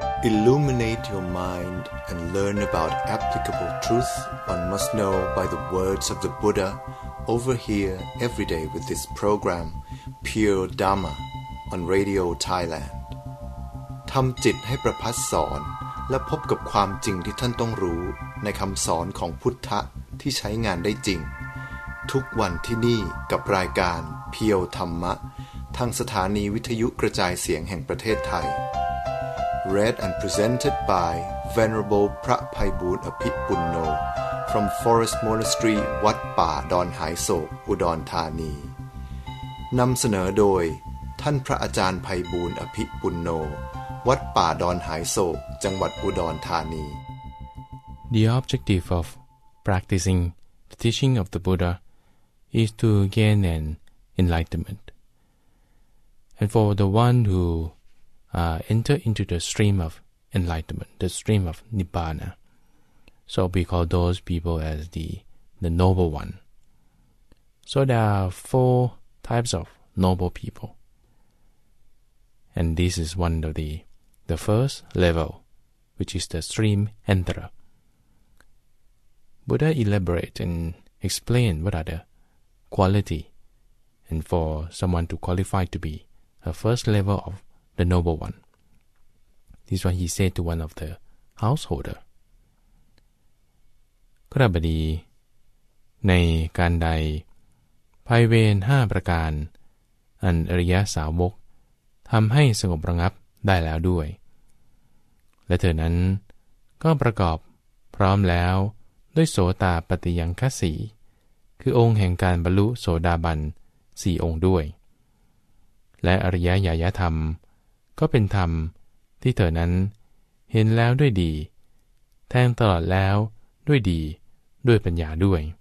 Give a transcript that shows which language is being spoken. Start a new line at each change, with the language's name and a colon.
English: Illuminate your mind and learn about applicable truth one must know by the words of the Buddha over here every day with this program, Pure Dharma, on Radio Thailand.
Thai: ทำจิตให้ประพัสสอนและพบกับความจริงที่ท่านต้องรู้ในคำสอนของพุทธะที่ใช้งานได้จริงทุกวันที่นี่กับรายการเพียวธรรมะทางสถานีวิทยุกระจายเสียงแห่งประเทศไทย
English: Read and presented by Venerable
Thai: พระไพบูลย์อภิปุณโญ
English: from Forest Monastery
Thai: วัดป่าดอนหายโศกอุดรธานีนำเสนอโดยท่านพระอาจารย์ไพบูลย์อภิปุณโญวัดป่าดอนหายโศกจังหวัดอุดรธานี
English: The objective of practicing the teaching of the Buddha is to gain an enlightenment. And for the one who enter into the stream of enlightenment, the stream of Nibbana, so we call those people as the noble one. So there are four types of noble people. And this is one of the first level, which is the stream enterer. Buddha elaborate and explain what are the quality and for someone to qualify to be a first level of the noble one. This is what he said to one of the householder.
Thai: กระบดีในการใดภายเวณ5ประการอันอริยสาวกทำให้สงบระงับได้แล้วด้วย และเธอนั้นก็ประกอบพร้อมแล้วด้วยโสตาปัตติยังคสีคือองค์แห่งการบรรลุโสดาบัน4องค์ด้วยและอริยญาณธรรมก็เป็นธรรมที่เธอนั้นเห็นแล้วด้วยดีแทงตลอดแล้วด้วยดีด้วยปัญญาด้วย